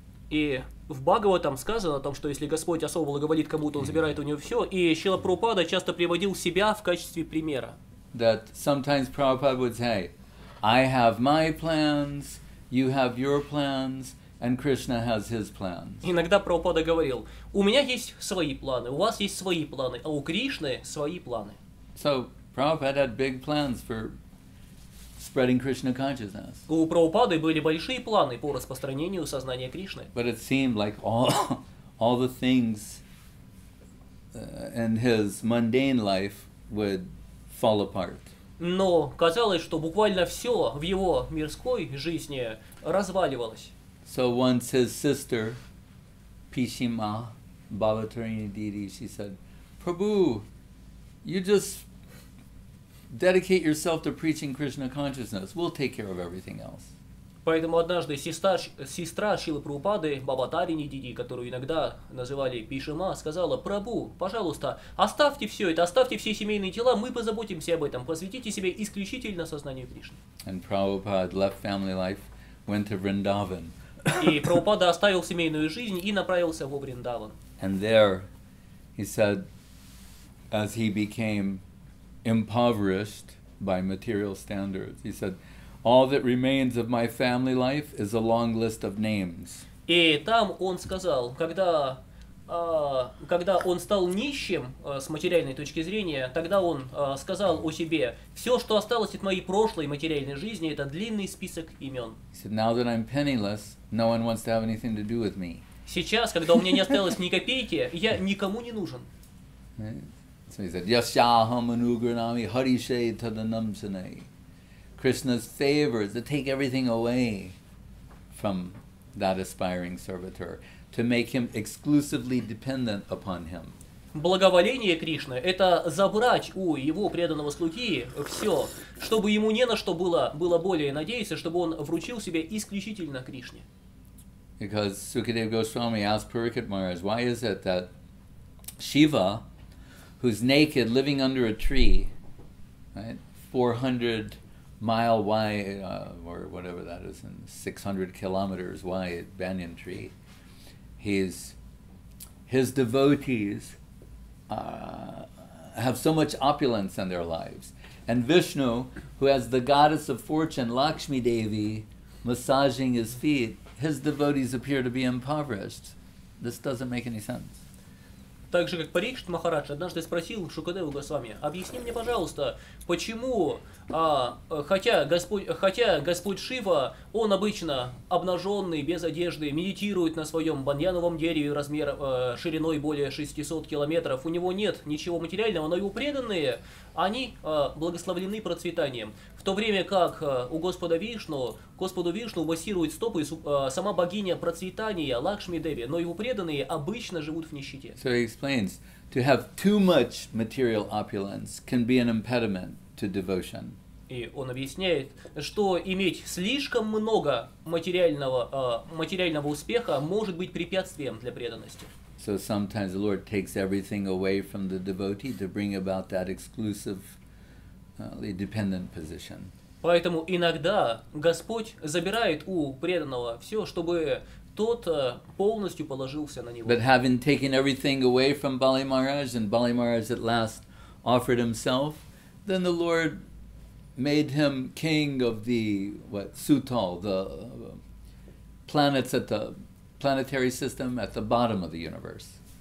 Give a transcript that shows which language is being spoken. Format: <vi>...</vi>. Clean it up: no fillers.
<ru>И в Бхагаватам сказано о том, что если Господь особо благоволит кому-то, он забирает у него все. И Шрила Прабхупада часто приводил себя в качестве примера.</ru> <en>That sometimes Prabhupada would say, I have my plans, you have your plans, and Krishna has his plans.</en> <ru>Иногда Прабхупада говорил, у меня есть свои планы, у вас есть свои планы, а у Кришны свои планы.</ru> <en>So Prabhupada had big plans for spreading Krishna consciousness.</en> <ru>У Прабхупады были большие планы по распространению сознания Кришны.</ru> <en>But it seemed like all the things in his mundane life would fall apart.</en> <ru>Но казалось, что буквально все в его мирской жизни разваливалось.</ru> <en>So once his sister Пишима Бхаватарини Диди, she said, "Prabhu, you just dedicate yourself to preaching Krishna consciousness. We'll take care of everything else."</en> <ru>Поэтому однажды сестра Шрилы Прабхупады, Баба Тарини Диди, которую иногда называли Пишима, сказала: "Прабу, пожалуйста, оставьте все это, оставьте все семейные дела, мы позаботимся об этом. Посвятите себя исключительно сознанию Кришны."</ru> <en>And Prabhupada left family life, went to Vrindavan.</en> <ru>И Прабхупада оставил семейную жизнь и направился во Вриндаван.</ru> <en>And there, he said, as he became impoverished by material standards, he said, "All that remains of my family life is a long list of names."</en> <ru>И там он сказал, когда он стал нищим с материальной точки зрения, тогда он сказал о себе: "Все, что осталось от моей прошлой материальной жизни, это длинный список имен."</ru> <en>He said, "Now that I'm penniless, no one wants to have anything to do with me."</en> <ru>Сейчас, когда у меня не осталось ни копейки, я никому не нужен.</ru> <en>So he said,</en> <sa>"Yasyaham anugranami harishe tadanamsanai."</sa> <en>Krishna's favors to take everything away from that aspiring servitor, to make him exclusively dependent upon him.</en> <ru>Благоволение Кришны — это забрать у его преданного слуги все, чтобы ему не на что было более надеяться, чтобы он вручил себя исключительно Кришне.</ru> <en>Because Sukadeva Goswami asked Purikit Maharaj, why is it that Shiva, who's naked, living under a tree, right, 400 mile wide, or whatever that is, and 600 kilometers wide, banyan tree, his devotees have so much opulence in their lives. And Vishnu, who has the goddess of fortune, Lakshmi Devi, massaging his feet, his devotees appear to be impoverished. This doesn't make any sense.</en> <ru>Так же, как Парикшит Махарадж однажды спросил Шукадеву Госвами: "Объясни мне, пожалуйста, почему, хотя Господь Шива, он обычно обнаженный, без одежды, медитирует на своем баньяновом дереве шириной более 600 километров, у него нет ничего материального, но его преданные, они благословлены процветанием, в то время как у Господа Вишну, Господу Вишну массирует стопы сама богиня процветания Лакшми Деви, но его преданные обычно живут в нищете."</ru> <en>So he explains, to have too much material opulence can be an impediment to devotion.</en> <ru>И он объясняет, что иметь слишком много материального успеха может быть препятствием для преданности.</ru> <en>So sometimes the Lord takes everything away from the devotee to bring about that exclusive a dependent position.</en> <ru>Поэтому иногда Господь забирает у преданного все, чтобы тот полностью положился на него.</ru> <en>But having taken everything away from Bali Maharaj, and Bali Maharaj at last offered himself, then the Lord made him king of the what sutal, the planets at the planetary system at the bottom of the universe.</en>